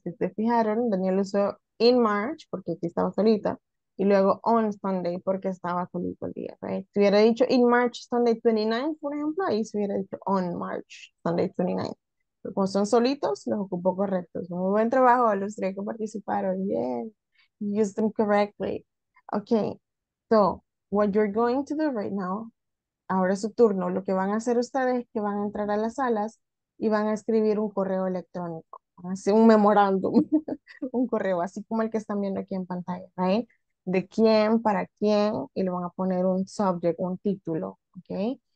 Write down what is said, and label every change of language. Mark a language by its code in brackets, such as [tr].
[es] Si se fijaron, Daniel usó in March porque aquí estaba solita. Y luego on Sunday porque estaba solito el día. Right? Si hubiera dicho in March Sunday 29, por ejemplo, ahí se hubiera dicho on March Sunday 29. Pero como son solitos, los ocupó correctos. Muy buen trabajo a los tres que participaron. [en] Yay. Use them correctly. Ok. So, what you're going to do right now. [es] Ahora es su turno. Lo que van a hacer ustedes es que van a entrar a las salas y van a escribir un correo electrónico, así un memorándum, un correo así como el que están viendo aquí en pantalla, ¿right? De quién, para quién, y le van a poner un subject, un título, ¿ok?